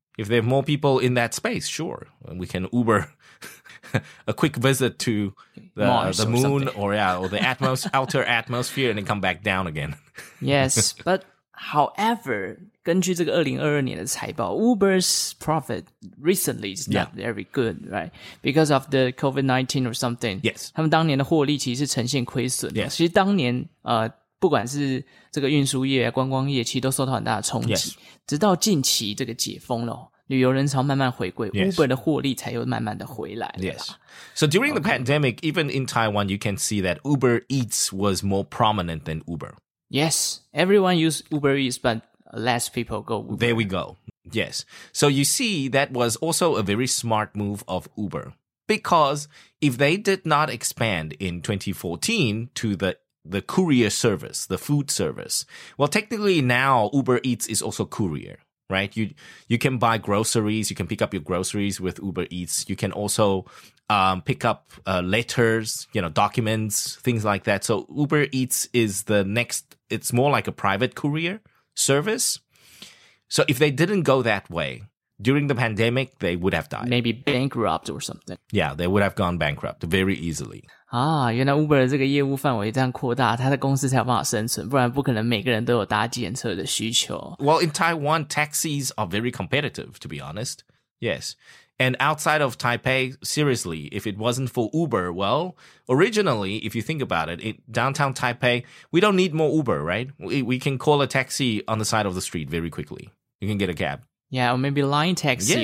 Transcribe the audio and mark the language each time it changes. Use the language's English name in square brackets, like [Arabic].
[English] If there are more people in that space, sure. We can Uber a quick visit to the moon or the outer atmosphere and then come back down again. Yes, but however, [Chinese] 根据这个2022年的财报 [English] ,Uber's profit recently is not very good, right? Because of the COVID-19 or something. Yes. [Chinese] 他们当年的获利其实是呈现亏损。 [English] Yes. [Chinese] 其实当年不管是这个运输业观光业其实都受到很大的冲击。 [English] Yes. [Chinese] 直到近期这个解封了旅游人潮慢慢回归 ,Uber 的获利才又慢慢的回来了。 [English] Yes. So during the pandemic, even in Taiwan, you can see that Uber Eats was more prominent than Uber. Yes. Everyone used Uber Eats, but less people go Uber. There we go. Yes. So you see, that was also a very smart move of Uber. Because if they did not expand in 2014 to the courier service, the food service, well, technically now Uber Eats is also courier, right? You can buy groceries. You can pick up your groceries with Uber Eats. You can also pick up letters, you know, documents, things like that. So Uber Eats is the next, it's more like a private courier service. So if they didn't go that way during the pandemic, they would have died. Maybe bankrupt or something. Yeah, they would have gone bankrupt very easily. [Chinese] Ah, 原来 Uber 的这个业务范围这样扩大，它的公司才有办法生存，不然不可能每个人都有搭计程车的需求。 [English] Well, in Taiwan, taxis are very competitive, to be honest. Yes. And outside of Taipei, seriously, if it wasn't for Uber, well, originally, if you think about it, downtown Taipei, we don't need more Uber, right? We can call a taxi on the side of the street very quickly. You can get a cab. Yeah, or maybe Line Taxi